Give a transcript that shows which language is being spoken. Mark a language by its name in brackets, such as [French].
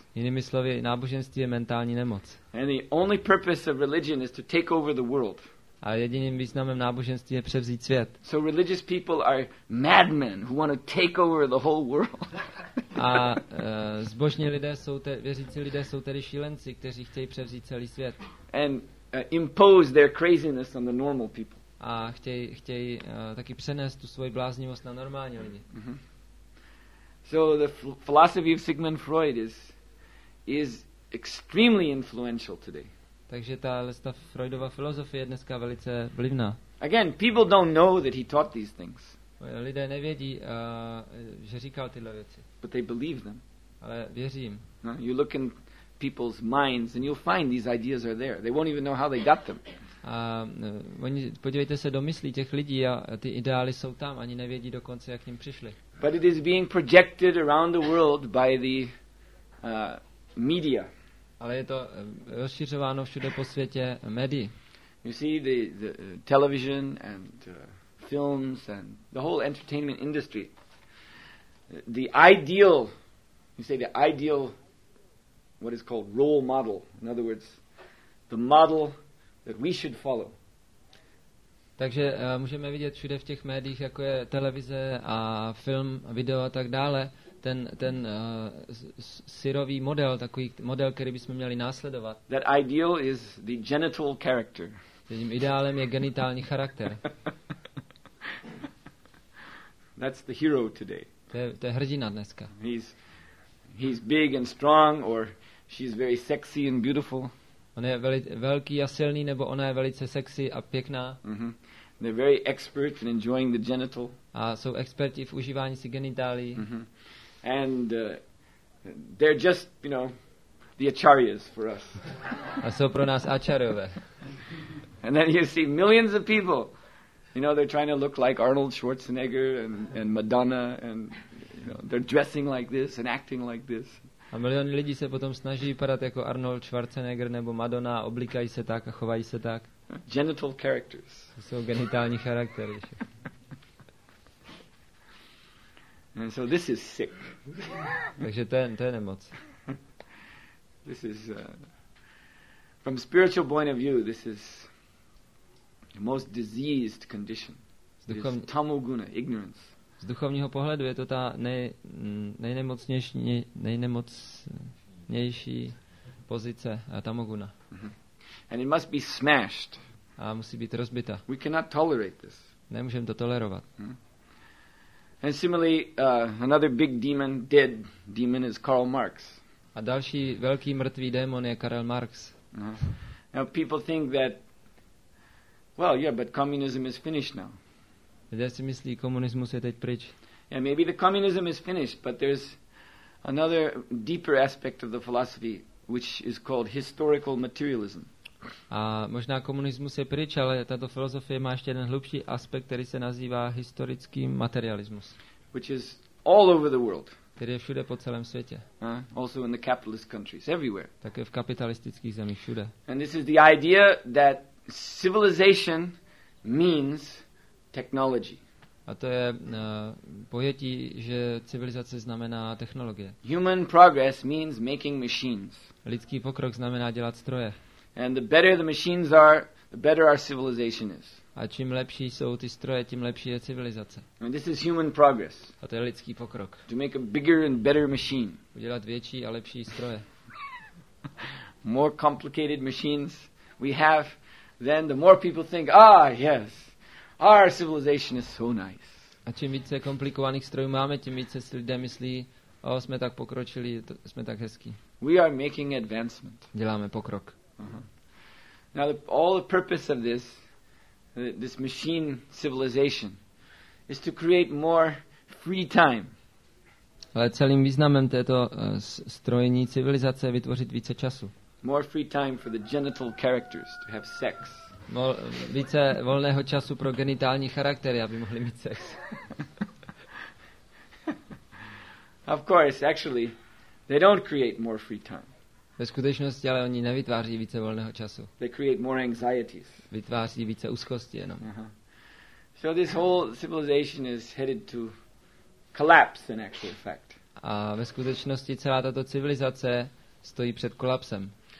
[Czech] Jinými slovy, náboženství je mentální nemoc. [English] And the only purpose of religion is to take over the world. [Czech] A jediným významem náboženství je převzít svět. [English] So religious people are madmen who want to take over the whole world. [Czech] A zbožní lidé jsou věřící lidé jsou tedy šílenci, kteří chtějí převzít celý svět. [English] And impose their craziness on the normal people. [Czech] A chtějí taky přenést tu svoji bláznivost na normální lidi. [English] So the philosophy of Sigmund Freud is extremely influential today. [Czech] Takže ta Freudova filozofie je dneska velice vlivná. [English] Again, people don't know that he taught these things. [Czech] Lidé nevědí, že říkal tyhle věci. [English] But they believe them. [Czech] Ale věří jim. [English] No, you look in people's minds and you'll find these ideas are there. They won't even know how they got them. [Czech] Oni podívejte se do myslí těch lidí a ty ideály jsou tam, ani nevědí dokonce, jak k ním přišli. [English] But it is being projected around the world by the media. [Czech] Ale je to rozšiřováno všude po světě médií. [English] You see the television and films and the whole entertainment industry. The ideal, you say the ideal, what is called role model. In other words, the model that we should follow. [Czech] Takže můžeme vidět všude v těch médiích, jako je televize a film, video a tak dále, ten syrový model, takový model, který bychom měli následovat. [English] That ideal is the genital character. [Czech] Tím ideálem je genitální charakter. [English] That's the hero today. [Czech] To je hrdina dneska. [English] He's big and strong, or she's very sexy and beautiful. [Czech] On je velký a silný, nebo ona je velice sexy a pěkná. [English] They're very expert in enjoying the genital. [Czech] A jsou experti v užívání si genitálií. [English] And they're just, you know, the acharyas for us. [Czech] A jsou pro nás acharyové. [English] And then you see millions of people. You know, they're trying to look like Arnold Schwarzenegger and Madonna, and you know, they're dressing like this and acting like this. [Czech] A miliony lidí se potom snaží vypadat jako Arnold Schwarzenegger nebo Madonna, oblíkají se tak a chovají se tak. [English] Genital characters. [Czech] To jsou genitální charaktery. [English] And so this is sick. [Czech] Takže to je nemoc. [English] This is from spiritual point of view, this is the most diseased condition. This is tamoguna, ignorance. [Czech] Z duchovního pohledu je to ta nejnemocnější pozice, tamoguna. [English] And it must be smashed. [Czech] A musí být rozbita. [English] We cannot tolerate this. [Czech] Nemůžeme to tolerovat. [English] And similarly, another big demon, dead demon, is Karl Marx. [Czech] A další velký mrtvý démon je Karl Marx. [English] Now people think that, well, yeah, but communism is finished now. [Czech] Lidé si myslí, komunismus je teď pryč. [English] Yeah, maybe the communism is finished, but there's another deeper aspect of the philosophy, which is called historical materialism. [Czech] A možná komunismus je pryč, ale tato filozofie má ještě jeden hlubší aspekt, který se nazývá historický materialismus. [English] Which is all over the world. [Czech] Který je všude po celém světě. [English] Also in the capitalist countries, everywhere. [Czech] Také v kapitalistických zemích všude. [English] And this is the idea that civilization means technology. [Czech] A to je pojetí, že civilizace znamená technologie. [English] Human progress means making machines. [Czech] Lidský pokrok znamená dělat stroje. [English] And the better the machines are, the better our civilization is. [Czech] A čím lepší jsou ty stroje, tím lepší je civilizace. [English] And this is human progress. [Czech] A to je lidský pokrok. [English] To make a bigger and better machine. [Czech] Udělat větší a lepší stroje. [English] More complicated machines we have, then the more people think, ah, yes, our civilization is so nice. [Czech] A čím více komplikovaných strojů máme, tím více si lidé myslí, o, jsme tak pokročili, to, jsme tak hezký. [English] We are making advancement. [Czech] Děláme pokrok. Uh-huh. [English] Now all the purpose of this machine civilization is to create more free time. [Czech] Ale celým významem této strojní civilizace je vytvořit více času. [English] More free time for the genital characters to have sex. [Czech] Více volného času pro genitální charaktery, aby mohli mít sex. [English] Of course, actually, they don't create more free time. [Czech] Ve skutečnosti ale oni nevytváří více volného času. [English] They create more anxieties. [Czech] Vytváří více úzkosti jenom. [English] Uh-huh. So this whole civilization is headed to collapse in actual fact. [Czech] A ve skutečnosti celá tato civilizace stojí před kolapsem.